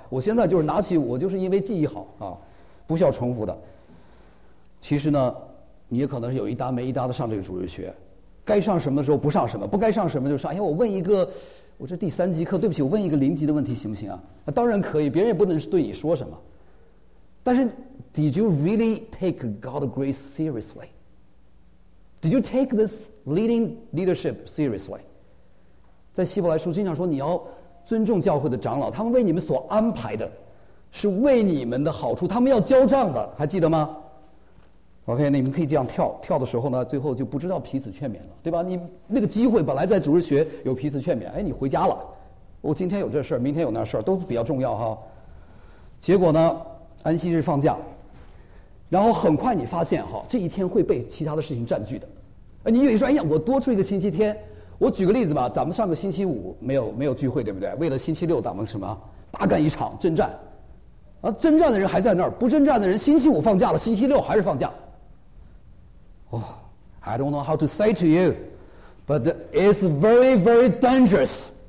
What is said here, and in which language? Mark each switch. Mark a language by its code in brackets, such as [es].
[zh] 我现在就是拿起，我就是因为记忆好啊，不需要重复的。其实呢，你也可能是有一搭没一搭的上这个主日学，该上什么的时候不上什么，不该上什么就上。哎呀，我问一个，我这第三级课，对不起，我问一个零级的问题行不行啊？啊，当然可以，别人也不能对你说什么。但是 [en] ，Did you really take God's grace seriously？ Did you take this leading leadership seriously？ [zh] 在希伯来书经常说，你要尊重教会的长老，他们为你们所安排的，是为你们的好处，他们要交账的，还记得吗 ？OK， 那你们可以这样跳跳的时候呢，最后就不知道彼此劝勉了，对吧？你那个机会本来在主日学有彼此劝勉，哎，你回家了，我今天有这事儿，明天有那事儿，都比较重要哈。结果呢，安息日放假。然后很快你发现哈，这一天会被其他的事情占据的。你以为说，哎呀，我多出一个星期天。我举个例子吧，咱们上个星期五没有聚会，对不对？为了星期六咱们什么大干一场征战，啊，征战的人还在那儿，不征战的人星期五放假了，星期六还是放假。 [en] Oh, I don't know how to say to you, but it's very, very dangerous.